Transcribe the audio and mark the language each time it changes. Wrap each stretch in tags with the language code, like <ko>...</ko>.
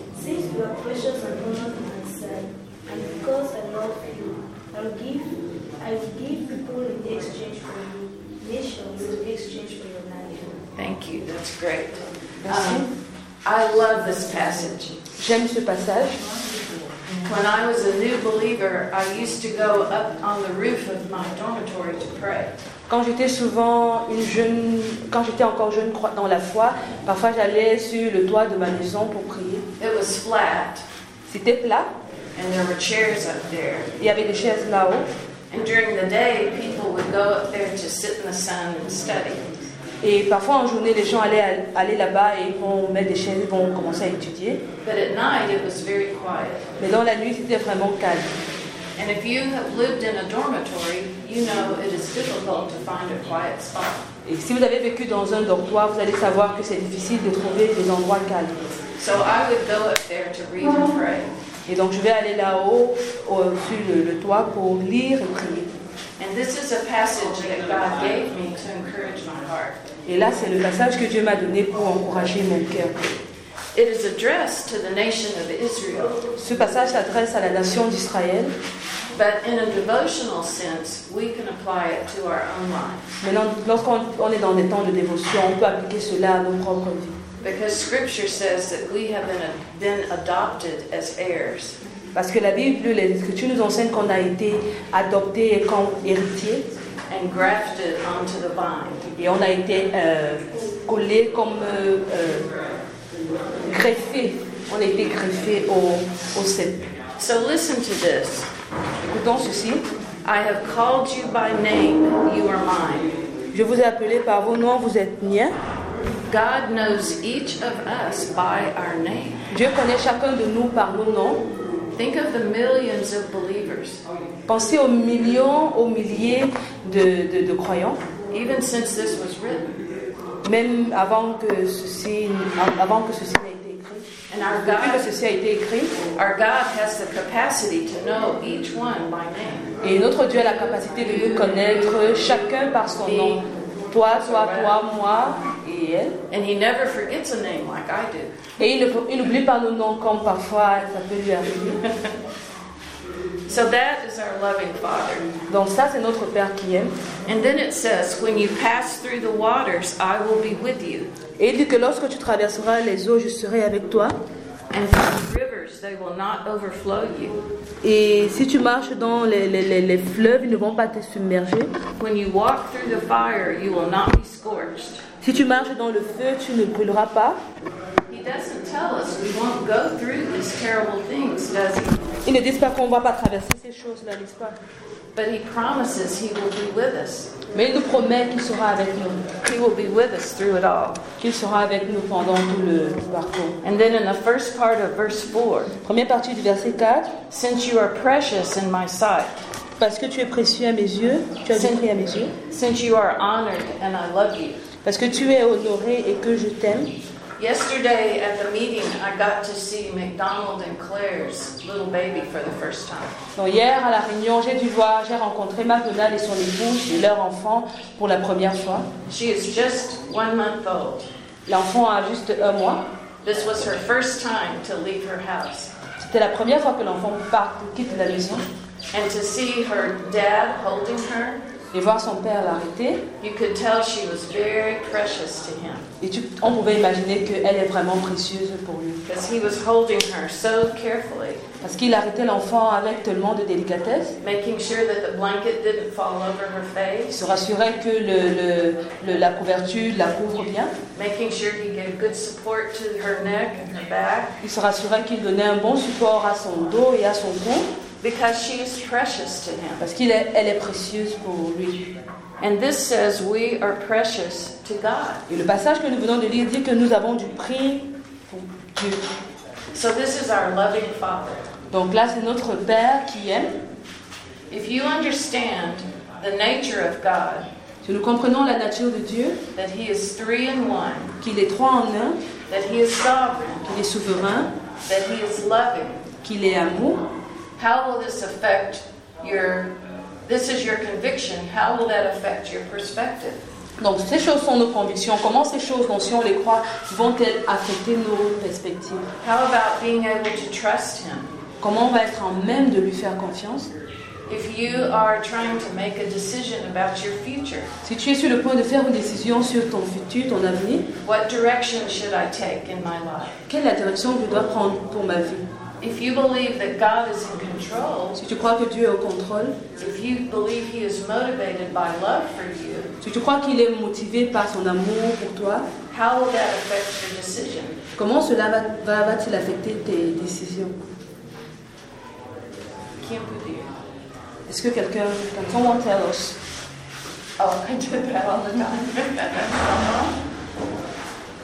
<en>Since you are precious and honored in my sight, and because I love you, I will give people in exchange for you, nations in exchange for your life. Thank you. That's great. I love this passage.</en> <fr>J'aime ce passage.</fr> <en>When I was a new believer, I used to go up on the roof of my dormitory to pray.</en> <fr>Quand j'étais souvent une jeune, quand j'étais encore jeune dans la foi, parfois j'allais sur le toit de ma maison pour prier.</fr> <en>It was flat.</en> <fr>C'était plat.</fr> <en>And there were chairs up there.</en> <fr>Il y avait des chaises là-haut.</fr> <en>And during the day, people would go up there to sit in the sun and study.</en> <fr>Et parfois en journée, les gens allaient aller là-bas et vont mettre des chaises, vont commencer à étudier.</fr> <en>But at night, it was very quiet.</en> <fr>Mais dans la nuit, c'était vraiment calme.</fr> <en>And if you have lived in a dormitory, you know it is difficult to find a quiet spot.</en> <fr>Et si vous avez vécu dans un dortoir, vous allez savoir que c'est difficile de trouver des endroits calmes.</fr> <en>So I would go up there to read and pray.</en> <fr>Et donc je vais aller là-haut, au-dessus le toit, pour lire et prier.</fr> <en>And this is a passage that God gave me to encourage my heart.</en> <fr>Et là, c'est le passage que Dieu m'a donné pour encourager mon cœur.</fr> <en>It is addressed to the nation of Israel.</en> <fr>Ce passage s'adresse à la nation d'Israël.</fr> <en>But in a devotional sense, we can apply it to our own lives.</en> <fr>Mais lorsqu'on est dans des temps de dévotion, on peut appliquer cela à nos propres vies.</fr> <en>Because Scripture says that we have been adopted as heirs.</en> <fr>Parce que la Bible, les Écritures nous enseignent qu'on a été adopté comme héritier.</fr> <en>And grafted onto the vine.</en> <fr>Et on a été collé comme greffé. On a été greffé au cep.</fr> <en>So listen to this.</en> <fr>Écoutons ceci.</fr> <en>I have called you by name. You are mine.</en> <fr>Je vous ai appelé par vos noms. Vous êtes mien.</fr> <en>God knows each of us by our name.</en> <fr>Dieu connaît chacun de nous par nos noms.</fr> <en>Think of the millions of believers.</en> <fr>Pensez aux millions, aux milliers de croyants.</fr> <en>Even since this was written.</en> <fr>Même avant que ceci n'ait été écrit.</fr> <en>And our God,</en> <fr>depuis que ceci a été écrit.</fr> <en>Our God has the capacity to know each one by name.</en> <fr>Et notre Dieu a la capacité de nous connaître chacun par son nom. Toi, moi et elle.</fr> <en>And he never forgets a name like I do.</en> <fr>Et il n'oublie pas nos noms comme parfois ça peut lui arriver.</fr> <en>So that is our loving Father.</en> <fr>Donc ça c'est notre Père qui aime.</fr> <en>And then it says, when you pass through the waters, I will be with you.</en> <fr>Et il dit que lorsque tu traverseras les eaux, je serai avec toi.</fr> <en>And through the rivers, they will not overflow you.</en> <fr>Et si tu marches dans les fleuves, ils ne vont pas te submerger.</fr> <en>When you walk through the fire, you will not be scorched.</en> <fr>Si tu marches dans le feu, tu ne brûleras pas.</fr> <en>He doesn't tell us we won't go through these terrible things, does he?</en> <fr>Ils ne disent pas qu'on ne va pas traverser ces choses-là, n'est-ce pas?</fr> <en>But he promises he will be with us.</en> <fr>Mais il nous promet qu'il sera avec nous.</fr> <en>He will be with us through it all.</en> <fr>Qu'il sera avec nous pendant tout le parcours.</fr> <en>And then in the first part of verse 4.</en> <fr>Première partie du verset 4.</fr> <en>Since you are precious in my sight.</en> <fr>Parce que tu es précieux à mes yeux. Tu as dit à mes yeux.</fr> <en>Since you are honored and I love you.</en> <fr>Parce que tu es honoré et que je t'aime.</fr> <en>Yesterday at the meeting, I got to see McDonald and Claire's little baby for the first time.</en> <fr>Donc hier à la réunion, j'ai rencontré McDonald et son épouse et leur enfant pour la première fois.</fr> <en>She is just 1 month old.</en> <fr>L'enfant a juste un mois.</fr> <en>This was her first time to leave her house.</en> <fr>C'était la première fois que l'enfant parte, quitte la maison.</fr> <en>And to see her dad holding her.</en> <fr>Et voir son père l'arrêter.</fr> <en>You could tell she was very precious to him.</en> <fr>Et on pouvait imaginer qu'elle est vraiment précieuse pour lui.</fr> <en>Because he was holding her so carefully.</en> <fr>Parce qu'il arrêtait l'enfant avec tellement de délicatesse.</fr> <en>Making sure that the blanket didn't fall over her face.</en> <fr>Se rassurait que la couverture la couvre bien.</fr> <en>Making sure he gave good support to her neck and her back.</en> <fr>Il se rassurait qu'il donnait un bon support à son dos et à son cou.</fr> <en>Because she is precious to him.</en> <fr>Parce qu'elle est précieuse pour lui.</fr> <en>And this says we are precious to God.</en> <fr>Et le passage que nous venons de lire dit que nous avons du prix pour Dieu.</fr> <en>So this is our loving Father.</en> <fr>Donc là c'est notre Père qui aime.</fr> <en>If you understand the nature of God,</en> <fr>si Que nous comprenons la nature de Dieu.</fr> <en>That he is three in one.</en> <fr>Qu'il est trois en un.</fr> <en>That he is sovereign.</en> <fr>Qu'il est souverain.</fr> <en>That he is loving.</en> <fr>Qu'il est amour.</fr> <en>How will this affect your? This is your conviction. How will that affect your perspective?</en> <fr>Donc ces choses sont nos convictions. Comment ces choses, donc si on les croit, vont-elles affecter nos perspectives?</fr> <en>How about being able to trust him?</en> <fr>Comment on va être en même de lui faire confiance?</fr> <en>If you are trying to make a decision about your future,</en> <fr>si tu es sur le point de faire une décision sur ton futur, ton avenir,</fr> <en>what direction should I take in my life?</en> <fr>Quelle est la direction que je dois prendre pour ma vie?</fr> <en>If you believe that God is in control,</en> <fr>si tu crois que Dieu est au contrôle,</fr> <en>if you believe he is motivated by love for you,</en> <fr>si tu crois qu'il est motivé par son amour pour toi,</fr> <en>how will that affect your decision?</en> <fr>Comment cela va-t-il affecter tes décisions?</fr> <en>Can't believe.</en> <fr>Est-ce que quelqu'un peut nous dire?</fr> <en>Oh, I did that all the time.</en>